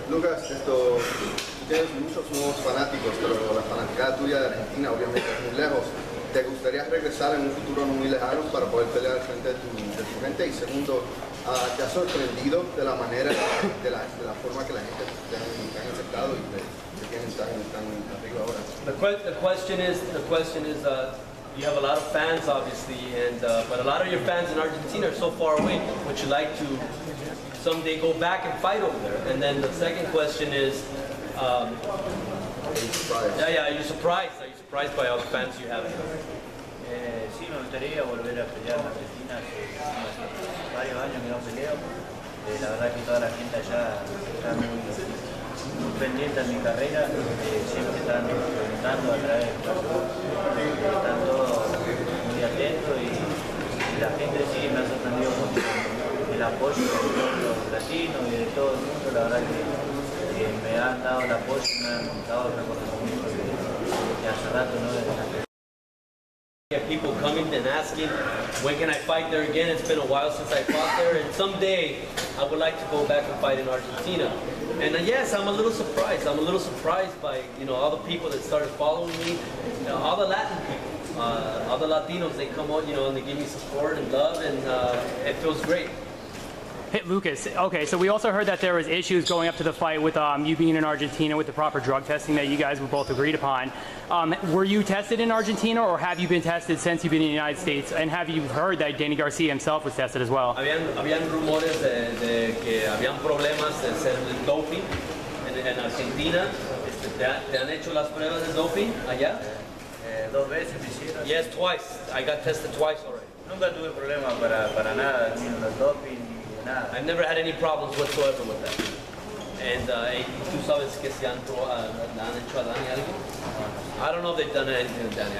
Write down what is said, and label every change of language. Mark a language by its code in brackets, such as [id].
[es] Lucas, esto tienes muchos nuevos fanáticos, pero la fanaticada tuya de Argentina obviamente es muy lejos. ¿Te gustaría regresar en un futuro no muy lejano para poder pelear al frente de tu gente? Y segundo, ¿te ha sorprendido de la manera, de la forma que la gente te ha aceptado y te tienen tan arriba ahora? [en] The question is, you have a lot of fans, obviously, but a lot of your fans in Argentina are so far away. Would you like to someday go back and fight over there? And then the second question is, are you surprised? Are you surprised by all the fans you have? [es] Sí, me gustaría volver a pelear en Argentina. Hace varios años que no peleo. La verdad que toda la gente allá está muy pendiente de mi carrera. Siempre están preguntando a través del club. Están todos muy atentos y la gente sí me ha sorprendido mucho. El apoyo de los latinos y de todo el mundo, la verdad que me han dado el apoyo y me han dado el reconocimiento que hace rato no era. [en] People coming and asking, when can I fight there again? It's been a while since I fought there, and someday I would like to go back and fight in Argentina. And yes, I'm a little surprised. I'm a little surprised by, you know, all the people that started following me, you know, all the Latin people, all the Latinos, they come out, you know, and they give me support and love, and it feels great. Hey, Lucas, okay, so we also heard that there was issues going up to the fight with you being in Argentina with the proper drug testing that you guys were both agreed upon. Were you tested in Argentina, or have you been tested since you've been in the United States? And have you heard that Danny Garcia himself was tested as well? [es] Habían rumores de que habían problemas de ser de doping en Argentina. ¿Te han hecho las pruebas de doping allá? Dos veces me hicieron. [en] Yes, twice. I got tested twice already. [es] Nunca tuve problema para nada, ni en el doping. [en] I've never had any problems whatsoever with that. And [es] ¿tú sabes que si han hecho a Dani algo? [en] I don't know if they've done anything with Dani.